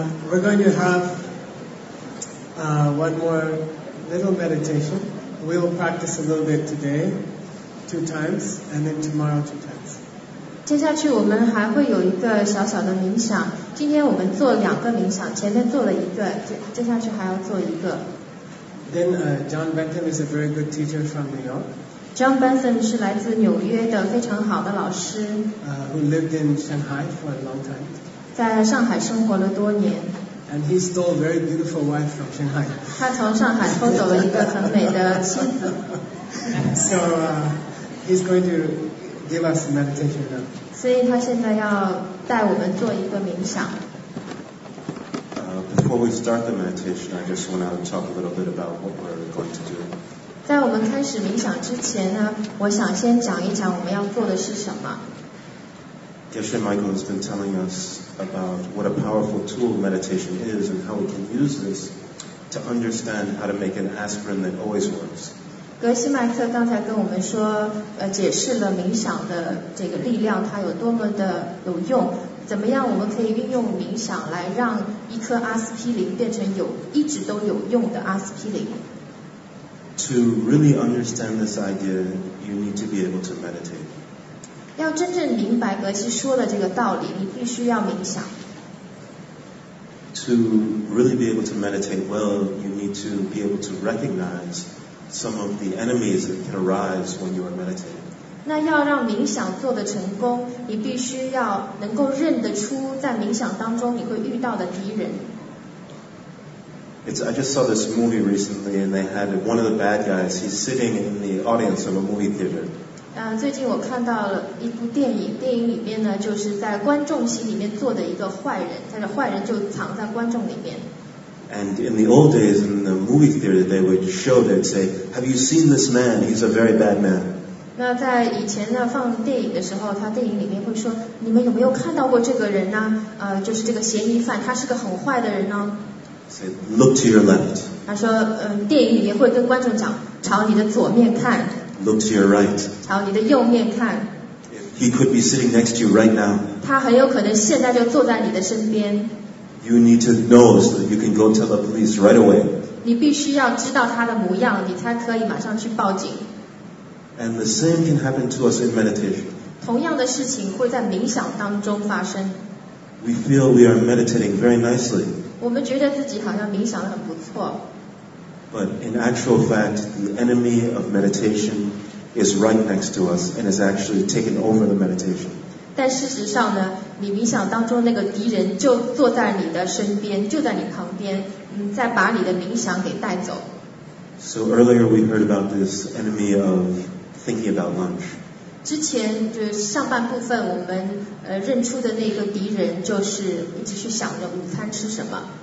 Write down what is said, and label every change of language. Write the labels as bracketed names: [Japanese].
[English] We're going to have one more little meditation. We'll practice a little bit today, two times, and then tomorrow two times. [Chinese] 接下去我们还会有一个小小的冥想。今天我们做两个冥想，前面做了一个，接下去还要做一个。 [English] Then John Bentham is a very good teacher from New York. [Chinese] John Bentham 是来自纽约的非常好的老师。 [English] Who lived in Shanghai for a long time. [Chinese] 在上海生活了多年。 [English] And he stole a very beautiful wife from Shanghai. [Chinese] 他从上海偷走了一个很美的妻子。 [English] So he's going to give us meditation now. [Chinese] 所以他现在要带我们做一个冥想。 [English] Before we start the meditation, I just want to talk a little bit about what we're going to do. [Chinese] 在我们开始冥想之前呢，我想先讲一讲我们要做的是什么。 [English] Geshe Michael has been telling us about what a powerful tool meditation is and how we can use this to understand how to make an aspirin that always works. [Chinese] 格西麦克刚才跟我们说，解释了冥想的这个力量，它有多么的有用，怎么样我们可以运用冥想来让一颗阿司匹林变成有一直都有用的阿司匹林。 [English] To really understand this idea, you need to be able to meditate. [Chinese] 要真正明白格西说的这个道理，你必须要冥想。 [English] To really be able to meditate well, you need to be able to recognize some of the enemies that can arise when you are meditating. [Chinese] 那要让冥想做得成功，你必须要能够认得出在冥想当中你会遇到的敌人。 [English] I just saw this movie recently, and they had one of the bad guys. He's sitting in the audience of a movie theater. [Chinese] 最近我看到了一部电影，电影里面呢，就是在观众席里面坐的一个坏人，但是坏人就藏在观众里面。 [English] And in the old days, in the movie theater, they would show, they'd say, "Have you seen this man? He's a very bad man." [Chinese] 那在以前呢，放电影的时候，他电影里面会说，你们有没有看到过这个人呢？就是这个嫌疑犯，他是个很坏的人呢。 [English] Say, look to your left. [Chinese] 他说，电影里面会跟观众讲，朝你的左面看。 [English] Look to your right. [Chinese] 朝你的右面看。 [English] He could be sitting next to you right now. [Chinese] 他很有可能现在就坐在你的身边。 [English] You need to know so that you can go tell the police right away. [Chinese] 你必须要知道他的模样，你才可以马上去报警。 [English] And the same can happen to us in meditation. [Chinese] 同样的事情会在冥想当中发生。 [English] We feel we are meditating very nicely. [Chinese] 我们觉得自己好像冥想得很不错。 [English] But in actual fact, the enemy of meditation is right next to us and has actually taken over the meditation. [Chinese] 但事实上呢，你冥想当中那个敌人就坐在你的身边，就在你旁边，再把你的冥想给带走。 [English] So earlier we heard about this enemy of thinking about lunch. [Chinese] 之前就上半部分我们认出的那个敌人就是一直去想着午餐吃什么。